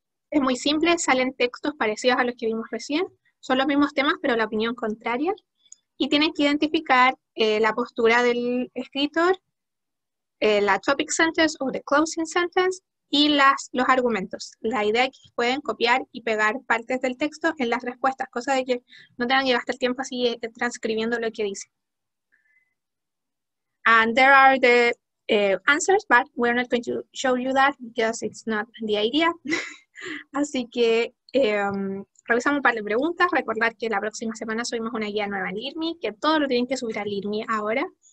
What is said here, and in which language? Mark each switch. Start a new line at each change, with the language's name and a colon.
Spanish: Es muy simple, salen textos parecidos a los que vimos recién, son los mismos temas, pero la opinión contraria, y tienen que identificar la postura del escritor, la topic sentence o the closing sentence, y los argumentos. La idea es que pueden copiar y pegar partes del texto en las respuestas, cosa de que no tengan que gastar el tiempo así transcribiendo lo que dice.
English: And there are the answers, but we're not going to show you that because it's not the idea.
Spanish: Así que revisamos un par de preguntas. Recordad que la próxima semana subimos una guía nueva a LIRMI, que todo lo tienen que subir a LIRMI ahora.